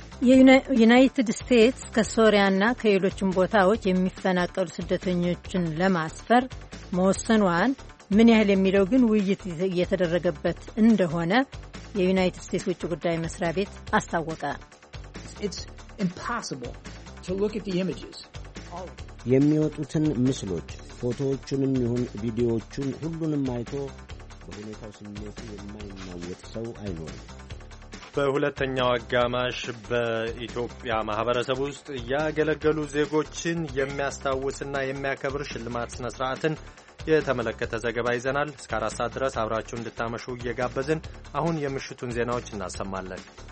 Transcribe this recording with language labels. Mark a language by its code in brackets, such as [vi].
[am] የዩናይትድ ስቴትስ ከሶሪያና ከሌሎችም ቦታዎች የሚፈናቀሉ ስደተኞችን ለማስፈር መወሰኗን ምን ያህል የሚለው ግን ውይይት እየተደረገበት እንደሆነ የዩናይትድ ስቴትስ ውጭ ጉዳይ መስሪያ ቤት አስታወቀ። [en] It's impossible to look at the images. [am] የሚወጡትን ምስሎች ፎቶዎቹንም ይሁን ቪዲዮዎቹን ሁሉንም አይቶ በሁኔታው ስሜቱ የማይናወጥ ሰው አይኖርም። በሁለተኛው አጋማሽ በኢትዮጵያ ማህበረሰብ ውስጥ ያገለገሉ ዜጎችን የሚያስታውስና የሚያከብር ሽልማት ስነ ስርዓትን የተመለከተ ዘገባ ይዘናል። እስከ 4 ሰዓት ድረስ አብራችሁ እንድታመሹ እየጋበዝን አሁን የምሽቱን ዜናዎች እናሰማለን።